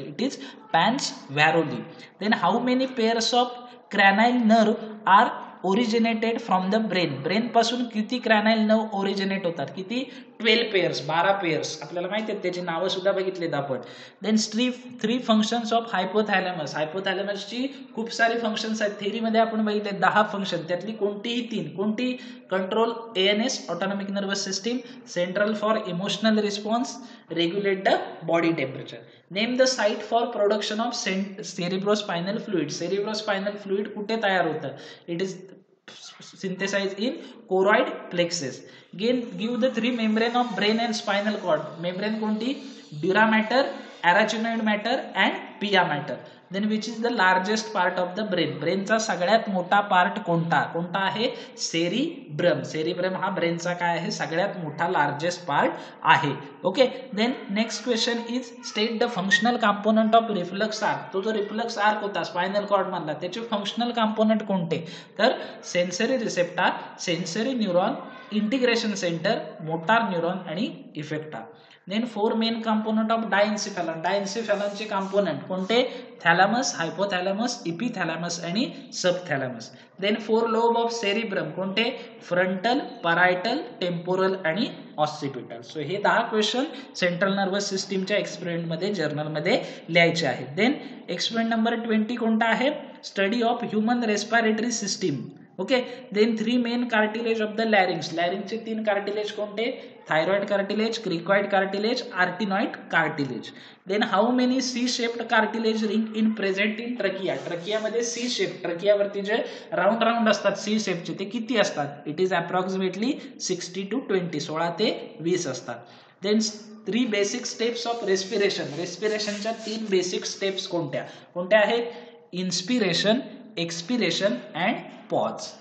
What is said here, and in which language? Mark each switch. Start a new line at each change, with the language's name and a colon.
English: It is pons varolii. Then how many pairs of cranial nerve are originated from the brain.
Marathi: Brain पासून किती क्रॅनाइल nerve originate होतात?
English: किती? 12 pairs, 12 pairs.
Marathi: आपल्याला माहिती आहेत त्याची नावं सुद्धा बघितली आपण.
English: Then three functions of hypothalamus.
Marathi: हायपोथॅलेमसची खूप सारी फंक्शन्स आहेत. थेरीमध्ये आपण बघितले 10 फंक्शन, त्यातली कोणतीही 3. कोणती?
English: Control ANS, autonomic nervous system, central for emotional response, regulate the body temperature. Name the site for production of cerebrospinal fluid.
Marathi: Cerebrospinal fluid कुठे तयार होतं?
English: It is synthesize in choroid plexus. Gain give the 3 membrane of brain and spinal cord.
Marathi: Membrane कोणती?
English: Dura mater, arachnoid mater and pia mater. Then which is the largest part of the brain.
Marathi: ब्रेनचा सगळ्यात मोठा part कोणता? कोणता आहे? सेरिब्रम. सेरिब्रम हा ब्रेनचा काय आहे? सगळ्यात मोठा लार्जेस्ट पार्ट आहे.
English: Okay, then next question is state the functional component of reflex arc.
Marathi: तो जो रिफ्लक्स आर्क होता स्पायनल कॉर्ड मधला, त्याचे फंक्शनल कॉम्पोनंट कोणते? तर sensory receptor, sensory neuron, integration centre, motor neuron आणि effector.
English: Then 4 main component of diencephalon.
Marathi: डायन्सिफेलनचे component कोणते? थॅलॅमस, hypothalamus, इपिथॅलॅमस आणि सबथॅलॅमस.
English: then 4 lobe of cerebrum
Marathi: कोणते? फ्रंटल, पॅराइटल, टेम्पोरल आणि ऑसिपिटल. सो हे 10 क्वेश्चन सेंट्रल नर्वस सिस्टीमच्या एक्सपेरिमेंटमध्ये जर्नलमध्ये लिहायचे आहेत. देन एक्सपेरिमेंट नंबर 20 कोणता आहे?
English: Study of human respiratory system. Okay, then 3 main cartilage of the larynx.
Marathi: लॅरिंगचे 3 cartilage कोणते? Thyroid cartilage, cricoid cartilage, आर्टिनॉइड cartilage.
English: Then how many C shaped cartilage ring in present in trachea.
Marathi: ट्रकियामध्ये C shape, ट्रकियावरती जे round round असतात C शेपचे, ते किती असतात?
English: It is approximately 60 to 20, 16 to 20 असतात. Then 3 basic steps of respiration.
Marathi: रेस्पिरेशनच्या 3 basic steps कोणत्या? कोणत्या आहेत?
English: Inspiration, expiration and pause.